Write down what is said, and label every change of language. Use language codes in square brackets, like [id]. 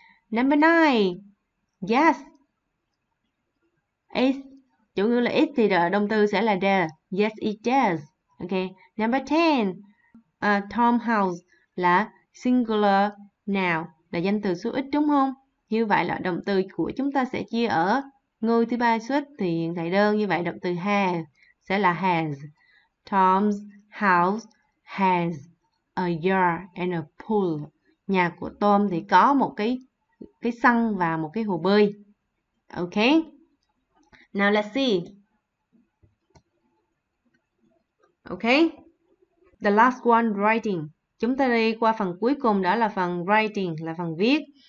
[en] Number 9, yes, is, [vi] chủ ngữ là is thì động từ sẽ là [en] does, yes it does. Okay. Number 10, [vi] Tom House là singular noun, là danh từ số ít, đúng không? Như vậy là động từ của chúng ta sẽ chia ở ngôi thứ ba suất thì hiện tại đơn. Như vậy động từ have sẽ là has. [en] Tom's house has a yard and a pool. [vi] Nhà của Tom thì có một cái sân và một cái hồ bơi. [en] Okay. Now let's see. Okay. The last one, writing. [vi] Chúng ta đi qua phần cuối cùng, đó là phần writing, là phần viết.